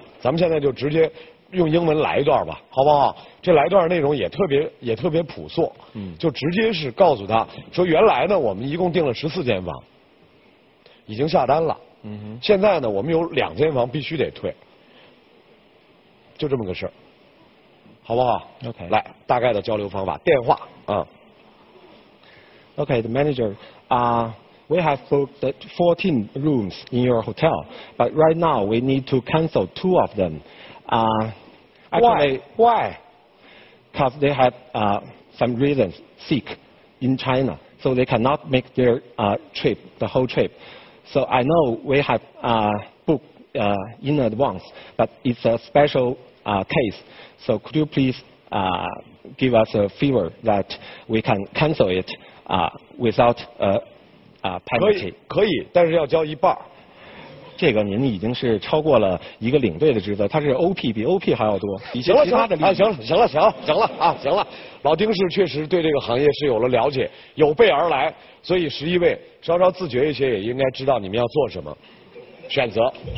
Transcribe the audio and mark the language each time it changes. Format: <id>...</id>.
<zh>咱们现在就直接用英文来一段吧，好不好？这来一段内容也特别朴素，嗯，就直接是告诉他说，原来呢，我们一共订了14间房，已经下单了，嗯哼，现在呢，我们有2间房必须得退，就这么个事儿。好不好</zh> <en>？OK，</en> <zh>来，大概的交流方法，电话啊。</zh> <en>OK，the manager， we have booked 14 rooms in your hotel， but right now we need to cancel 2 of them。 Why？ Because they have some reasons sick in China， so they cannot make their trip the whole trip。 So I know we have booked in advance， but it's a special case。 So could you please give us a favor that we can cancel it without penalty?</en> <zh>可以，但是要交一半。这个您已经是超过了一个领队的职责，他是 OP， 比 OP 还要多。行了，老丁是确实对这个行业是有了了解，有备而来，所以11位稍稍自觉一些，也应该知道你们要做什么选择。</zh>